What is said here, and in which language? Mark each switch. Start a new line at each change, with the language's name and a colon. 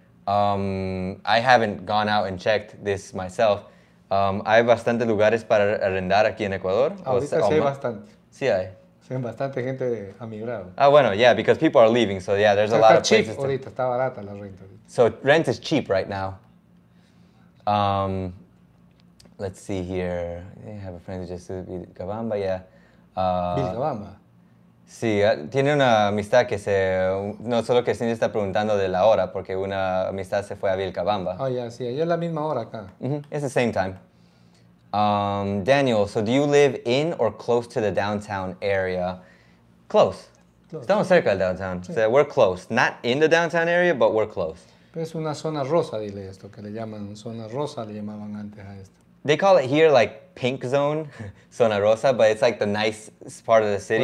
English: I haven't gone out and checked this myself.
Spanish: Hay bastante lugares para arrendar aquí en Ecuador. Ahorita sí hay bastante. Sí hay. Sí hay bastante gente ha migrado.
English: Ah, bueno, yeah, because people are leaving, so yeah, there's a lot of cheap places.
Spanish: Ahorita está barata la renta.
English: So rent is cheap right now. Let's see here. They have a friend who just said Bill Gabamba, yeah. Bill Gabamba.
Spanish: Sí, tiene una amistad que se... No, solo que Cindy está preguntando de la hora, porque una amistad se fue a Vilcabamba. Oh, yeah, sí, es la misma hora acá.
English: Mm-hmm. It's the same time. Daniel, so do you live in or close to the downtown area? Close. Close.
Spanish: Estamos cerca del downtown. Sí.
English: So we're close. Not in the downtown area, but we're close.
Spanish: Es una zona rosa, dile esto, que le llaman zona rosa, le llamaban antes a esto.
English: They call it here like pink zone, zona rosa, but it's like the nice part of the city.